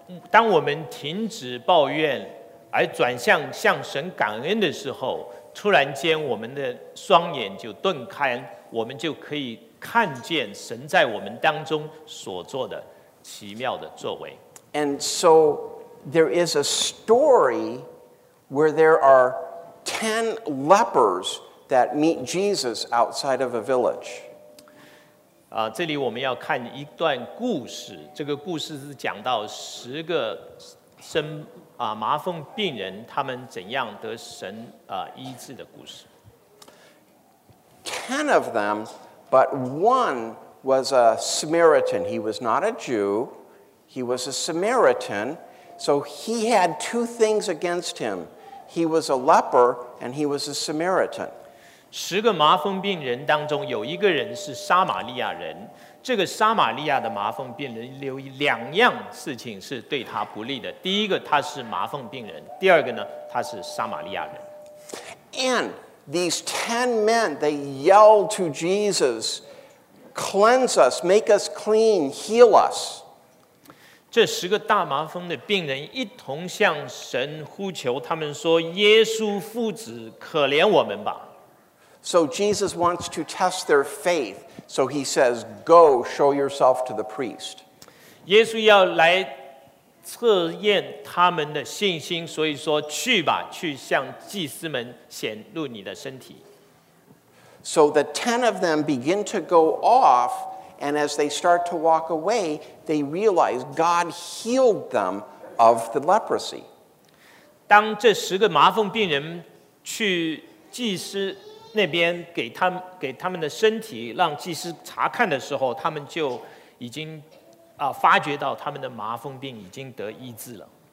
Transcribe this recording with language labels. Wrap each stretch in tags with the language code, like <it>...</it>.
<zh>当我们停止抱怨，而转向向神感恩的时候。突然间我们的双眼就顿开，我们就可以看见神在我们当中所做的奇妙的作为。</zh> <en>And so there is a story where there are 10 lepers that meet Jesus outside of a village.</en> <zh>这里我们要看一段故事，这个故事是讲到十个生麻风病人他们怎样得神医治的故事。</zh> <en>10 of them, but one was a Samaritan. He was not a Jew. He was a Samaritan. So he had two things against him. He was a leper and he was a Samaritan.</en> <zh>十个麻风病人当中有一个人是撒玛利亚人，这个撒玛利亚的麻风病人有两样事情是对他不利的。第一个，他是麻风病人；第二个呢，他是撒玛利亚人。</zh> <en>And these 10 men, they yell to Jesus, "Cleanse us, make us clean, heal us."</en> <zh>这十个大麻风的病人一同向神呼求，他们说：“耶稣父子，可怜我们吧。”</zh> <en>So Jesus wants to test their faith. So he says, go, show yourself to the priest.</en> <zh>耶稣要来测验他们的信心，所以说去吧，去向祭司们显露你的身体。</zh> <en>So the 10 of them begin to go off, and as they start to walk away, they realize God healed them of the leprosy.</en> <zh>当这十个麻风病人去祭司那边给他们的身体让祭司查看的时候，他们就已经发觉到他们的麻风病已经得医治了。</zh>